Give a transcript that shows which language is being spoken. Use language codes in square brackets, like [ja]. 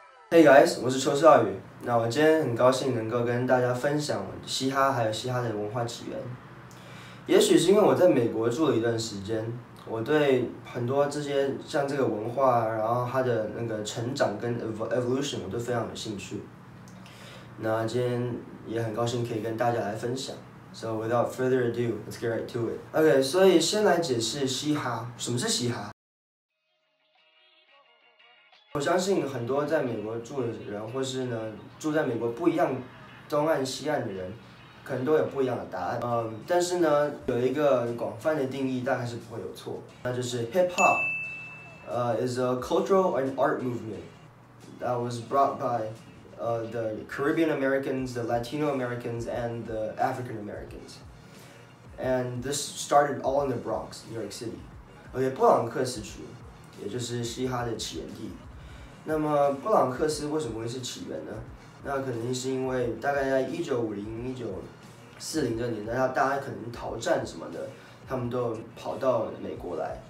[zh] Hey guys，我是邱少宇。那我今天很高兴能够跟大家分享嘻哈还有嘻哈的文化起源。也许是因为我在美国住了一段时间，我对很多这些像这个文化，然后它的那个成长跟 evolution，我都非常有兴趣。那今天也很高兴可以跟大家来分享。 [en] So without further ado, let's get right to it. [zh] OK，所以先来解释嘻哈，什么是嘻哈？我相信很多在美国住的人，或是呢住在美国不一样东岸西岸的人，可能都有不一样的答案。但是呢，有一个广泛的定义，大概是不会有错。那就是 [en] hip hop，is a cultural and art movement that was brought by the Caribbean Americans, the Latino Americans, and the African Americans. And this started all in the Bronx, New York City. [zh] 布朗克斯区，也就是嘻哈的起源地。那么布朗克斯为什么会是起源呢？那肯定是因为大概在1950、1940这年代，大家可能逃战什么的，他们都跑到美国来。